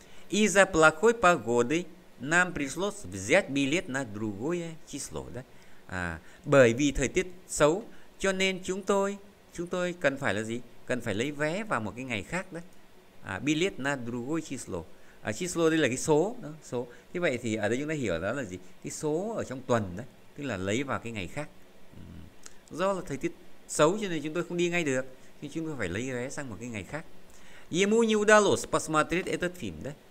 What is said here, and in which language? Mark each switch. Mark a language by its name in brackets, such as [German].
[Russian] Из-за плохой погоды нам пришлось взять билет на другое число. [Vietnamese] Đấy. Bởi vì thời tiết xấu cho nên chúng tôi cần phải là gì? Cần phải lấy vé vào một cái ngày khác đấy. [Russian] Билет на другое число. [Vietnamese] Число đây là cái số, đó, số. Thế vậy thì ở đây chúng ta hiểu đó là gì? Cái số ở trong tuần đấy, tức là lấy vào cái ngày khác. Do là thời tiết xấu cho nên chúng tôi không đi ngay được. Thì chúng tôi phải lấy vé sang một cái ngày khác. [Russian] Ему не удалось посмотреть этот фильм, đấy.